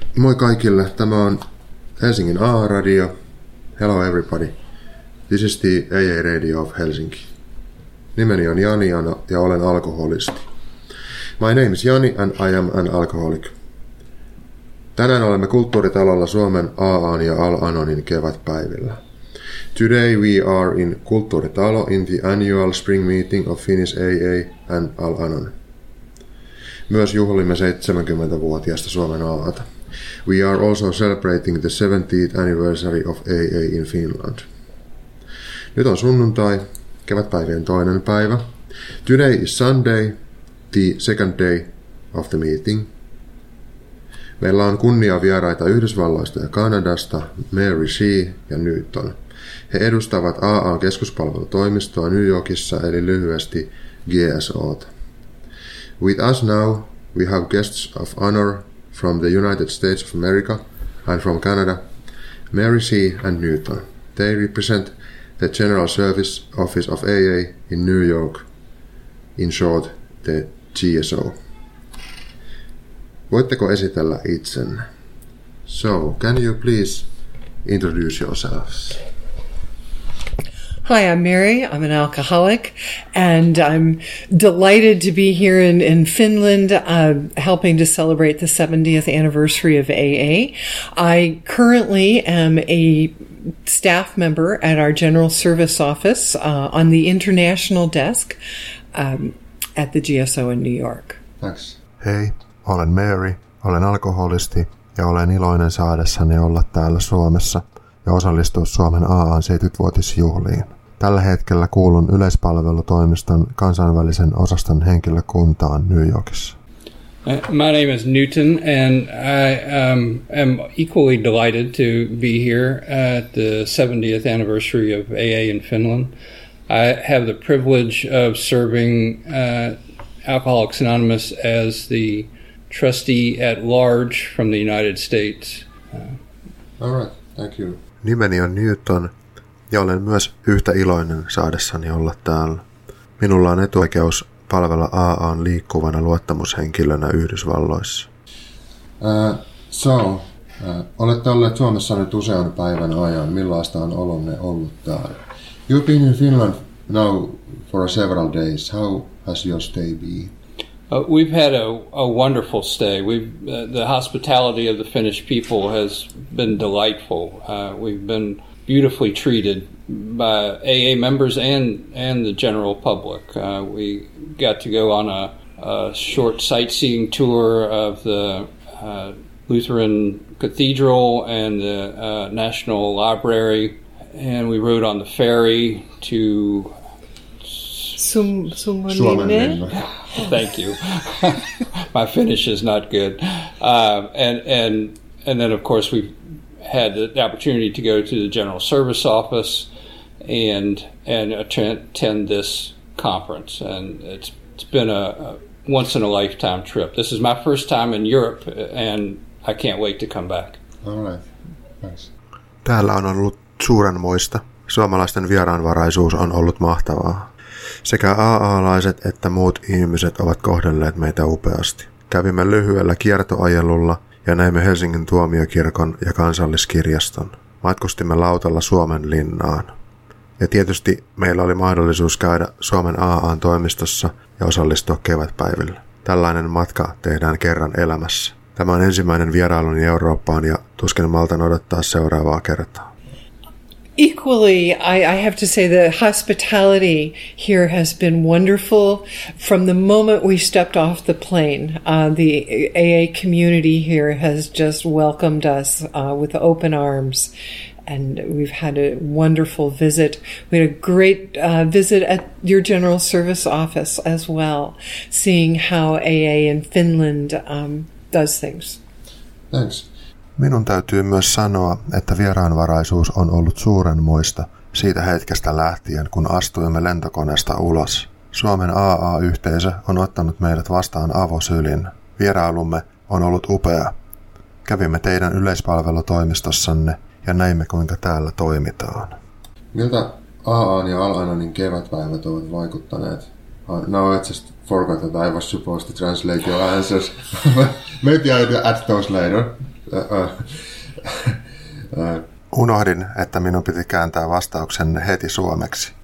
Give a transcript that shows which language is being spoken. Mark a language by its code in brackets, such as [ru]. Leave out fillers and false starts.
[fi] Moi kaikille, tämä on Helsingin AA-radio. [en] Hello everybody. This is the AA Radio of Helsinki. [fi] Nimeni on Jani ja olen alkoholisti. [en] My name is Jani and I am an alcoholic. [fi] Tänään olemme kulttuuritalolla Suomen AA:n ja Al-Anonin kevätpäivillä. [en] Today we are in kulttuuritalo in the annual spring meeting of Finnish AA and Al-Anon. [fi] Myös juhlimme 70-vuotiaasta Suomen AA:ta. [en] We are also celebrating the 70th anniversary of AA in Finland. [fi] Nyt on sunnuntai, kevätpäivien toinen päivä. [en] Today is Sunday, the second day of the meeting. [fi] Meillä on kunnia vieraita Yhdysvalloista ja Kanadasta, Mary Shee ja Newton. He edustavat AA-keskuspalvelutoimistoa New Yorkissa, eli lyhyesti GSO:ta. [en] With us now, we have guests of honor from the United States of America and from Canada, Mary Shee and Newton. They represent the General Service Office of AA in New York, in short, the GSO. [fi] Voitteko esitellä itsenne? [en] So, can you please introduce yourselves? Hi, I'm Mary. I'm an alcoholic, and I'm delighted to be here in Finland helping to celebrate the 70th anniversary of AA. I currently am a staff member at our General Service Office on the International Desk at the GSO in New York. Thanks. [fi] Hei, olen Mary. Olen alkoholisti, ja olen iloinen saadessani olla täällä Suomessa ja osallistua Suomen AA:n 70-vuotisjuhliin. Tällä hetkellä kuulun yleispalvelutoimiston kansainvälisen osaston henkilökuntaan New Yorkissa. [en] My name is Newton, and I am equally delighted to be here at the 70th anniversary of AA in Finland. I have the privilege of serving Alcoholics Anonymous as the trustee at large from the United States. All right, thank you. [fi] Nimeni on Newton. Ja olen myös yhtä iloinen saadessani olla täällä. Minulla on etuoikeus palvella AA:n liikkuvana luottamushenkilönä Yhdysvalloissa. Olette olleet Suomessa nyt usean päivän ajan. Millaista on olonne ollut täällä? [en] You've been in Finland now for several days. How has your stay been? We've had a wonderful stay. The hospitality of the Finnish people has been delightful. We've been beautifully treated by AA members and the general public. We got to go on a short sightseeing tour of the Lutheran Cathedral and the National Library, and we rode on the ferry to Suomenlinna. Thank you. My Finnish is not good. And then, of course, we had the opportunity to go to the General Service Office and attend this conference, and it's been a once in a lifetime trip. This is my first time in Europe, and I can't wait to come back. All right, thanks. [fi] Täällä on ollut suurenmoista. Suomalaisten vieraanvaraisuus on ollut mahtavaa. Sekä AA-laiset että muut ihmiset ovat kohdelleet meitä upeasti. Kävimme lyhyellä kiertoajelulla ja näimme Helsingin tuomiokirkon ja kansalliskirjaston. Matkustimme lautalla Suomen linnaan. Ja tietysti meillä oli mahdollisuus käydä Suomen AA:n toimistossa ja osallistua kevätpäivillä. Tällainen matka tehdään kerran elämässä. Tämä on ensimmäinen vierailuni Eurooppaan ja tuskin maltan odottaa seuraavaa kertaa. [en] Equally, I have to say the hospitality here has been wonderful. From the moment we stepped off the plane, the AA community here has just welcomed us with open arms, and we've had a wonderful visit. We had a great visit at your General Service Office as well, seeing how AA in Finland does things. Thanks. [fi] Minun täytyy myös sanoa, että vieraanvaraisuus on ollut suurenmoista siitä hetkestä lähtien, kun astuimme lentokoneesta ulos. Suomen AA-yhteisö on ottanut meidät vastaan avosylin. Vierailumme on ollut upea. Kävimme teidän yleispalvelutoimistossanne ja näimme, kuinka täällä toimitaan. Miltä AA:n ja Al-Anonin kevätpäivät ovat vaikuttaneet? [en] Now I just forgot that I was supposed to translate your answers. Maybe I'll add those later. [fi] Unohdin, että minun piti kääntää vastauksen heti suomeksi.